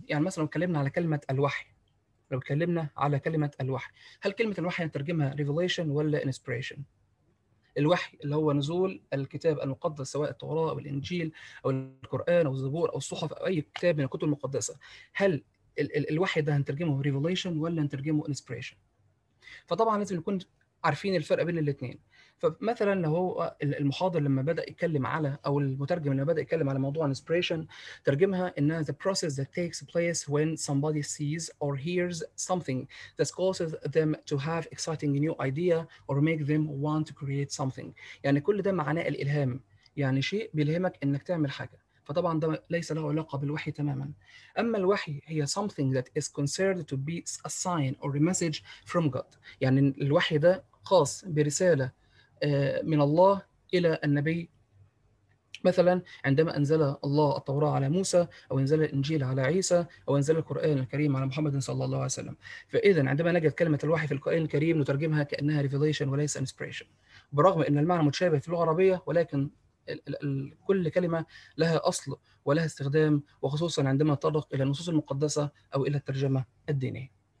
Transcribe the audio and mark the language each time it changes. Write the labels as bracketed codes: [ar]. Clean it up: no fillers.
[ar] يعني مثلا اتكلمنا على كلمة الوحي، لو اتكلمنا على كلمة الوحي، هل كلمة الوحي نترجمها revelation ولا inspiration؟ الوحي اللي هو نزول الكتاب المقدس، سواء التوراة أو الإنجيل أو القرآن أو الزبور أو الصحف أو أي كتاب من الكتب المقدسة، هل الوحي ده هنترجمه revelation ولا هنترجمه inspiration؟ فطبعا لازم نكون عارفين الفرق بين الاثنين. فمثلا لو هو المحاضر لما بدأ يتكلم على، أو المترجم لما بدأ يتكلم على موضوع inspiration، ترجمها إنها [en] the process that takes place when somebody sees or hears something that causes them to have exciting new idea or make them want to create something. [ar] يعني كل ده معناه الإلهام، يعني شيء بيلهمك إنك تعمل حاجة. فطبعا ده ليس له علاقة بالوحي تماما. أما الوحي هي [en] something that is considered to be a sign or a message from God. [ar] يعني الوحي ده خاص برسالة من الله إلى النبي. مثلا عندما أنزل الله التوراة على موسى، أو أنزل الإنجيل على عيسى، أو أنزل القرآن الكريم على محمد صلى الله عليه وسلم. فإذا عندما نجد كلمة الوحي في القرآن الكريم نترجمها كأنها revelation وليس inspiration، برغم أن المعنى متشابه في اللغة العربية، ولكن كل كلمة لها أصل ولها استخدام، وخصوصا عندما تطرق إلى النصوص المقدسة أو إلى الترجمة الدينية.